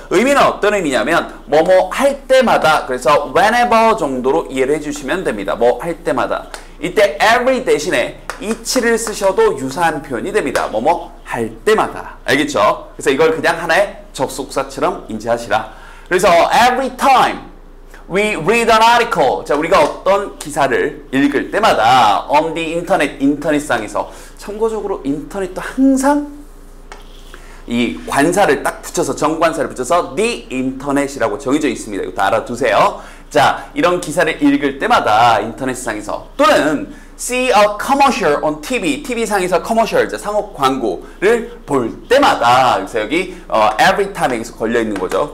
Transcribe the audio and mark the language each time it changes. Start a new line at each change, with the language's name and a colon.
Korean: 의미는 어떤 의미냐면 뭐뭐 할 때마다 그래서 whenever 정도로 이해를 해주시면 됩니다. 뭐 할 때마다 이때 every 대신에 each를 쓰셔도 유사한 표현이 됩니다. 뭐뭐 할 때마다. 알겠죠? 그래서 이걸 그냥 하나의 접속사처럼 인지하시라.
English: 그래서 every time we read an article.
Korean: 자, 우리가 어떤 기사를 읽을 때마다
English: on the internet,
Korean: 인터넷상에서 참고적으로 인터넷도 항상 이 관사를 딱 붙여서 정관사를 붙여서 the internet이라고 정해져 있습니다. 이것도 알아두세요. 자, 이런 기사를 읽을 때마다 인터넷상에서 또는
English: see a commercial on TV,
Korean: TV상에서 commercial, 상업 광고를 볼 때마다 그래서 여기 every time 여기서 걸려있는 거죠.